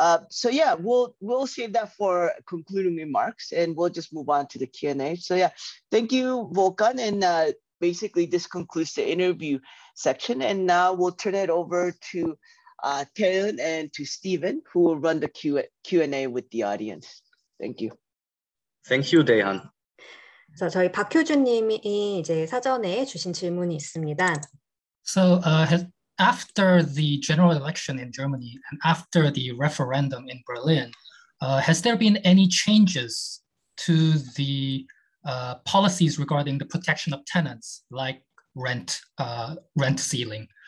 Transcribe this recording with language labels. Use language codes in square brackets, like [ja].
[en] So yeah, we'll save that for concluding remarks, and we'll just move on to the Q&A. So yeah, thank you, Volkan, and basically this concludes the interview section, and now we'll turn it over to Taeyeon and to Stephen, who will run the Q&A with the audience. Thank you. Thank you, Taeyeon. [ko] 자, 저희 박효준님이 이제 사전에 주신 질문이 있습니다. [en] So after the general election in Germany and after the referendum in Berlin, has there been any changes to the policies regarding the protection of tenants, like rent ceiling?